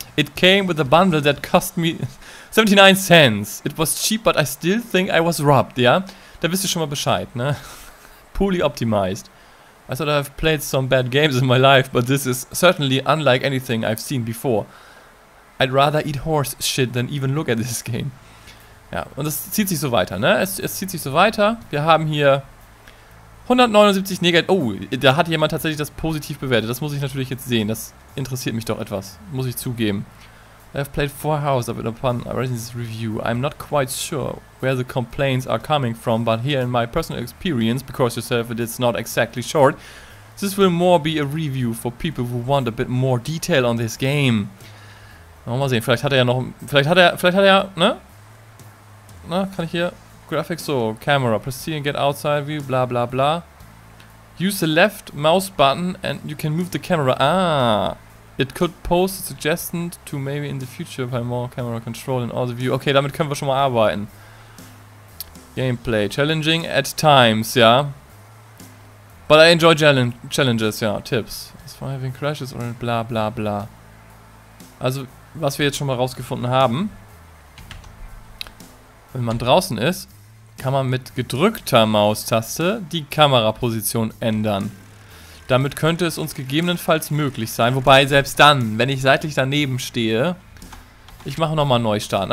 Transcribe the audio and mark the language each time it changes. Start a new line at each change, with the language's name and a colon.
English: It came with a bundle that cost me 79 cents. It was cheap, but I still think I was robbed,
German: ja? Da wisst ihr schon mal Bescheid, ne?
English: Poorly optimized. I thought I've played some bad games in my life, but this is certainly unlike anything I've seen before. I'd rather eat horse shit than even look at this game.
German: Ja, und das zieht sich so weiter, ne? Es zieht sich so weiter. Wir haben hier 179 negativ. Oh, da hat jemand tatsächlich das positiv bewertet. Das muss ich natürlich jetzt sehen. Das interessiert mich doch etwas. Muss ich zugeben.
English: I have played 4 hours of it upon a recent review. I'm not quite sure where the complaints are coming from, but here in my personal experience, because yourself it is not exactly short, this will more be a review for people who want a bit more detail on this game.
German: Mal sehen, vielleicht hat er ja noch. Vielleicht hat er, ne? Na, kann ich hier.
English: Graphics, so, Camera, press C and get outside view, bla bla bla. Use the left mouse button and you can move the camera. Ah, it could pose a suggestion to maybe in the future by more camera control in all the view.
German: Okay, damit können wir schon mal arbeiten. Gameplay,
English: challenging at times,
German: ja.
English: But I enjoy challenges, ja, tips. It's for having crashes or bla bla bla.
German: Also, was wir jetzt schon mal rausgefunden haben. Wenn man draußen ist, kann man mit gedrückter Maustaste die Kameraposition ändern. Damit könnte es uns gegebenenfalls möglich sein. Wobei, selbst dann, wenn ich seitlich daneben stehe, ich mache nochmal Neustarten.